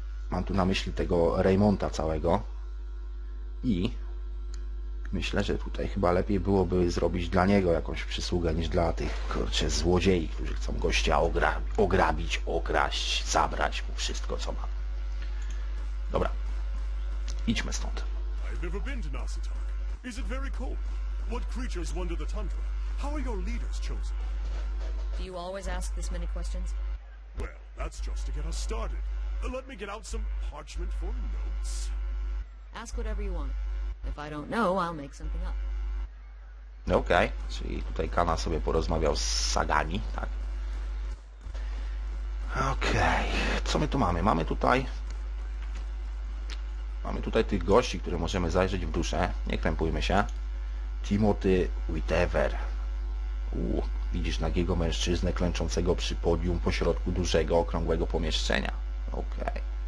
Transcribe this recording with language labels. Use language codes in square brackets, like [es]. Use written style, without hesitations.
[pl] Mam tu na myśli tego Raymonda całego. I myślę, że tutaj chyba lepiej byłoby zrobić dla niego jakąś przysługę niż dla tych, kurczę, złodziei, którzy chcą gościa ograbić, okraść, zabrać mu wszystko, co ma. Dobra. Idźmy stąd. [en] I've never been to Narsetok. Is it very cold? What creatures wander the tundra? How are your leaders chosen? Do you always ask this many questions? Well, that's just to get us started. Let me get out some parchment for notes. Ask whatever you want. If I don't know, I'll make something up. Okay. [pl] Czyli tutaj Kana sobie porozmawiał z Sagami, tak? Okej. Okay. Co my tu mamy? Mamy tutaj tych gości, które możemy zajrzeć w duszę. Nie krępujmy się. Timothy Whitever. Widzisz nagiego mężczyznę klęczącego przy podium pośrodku dużego, okrągłego pomieszczenia. Okej.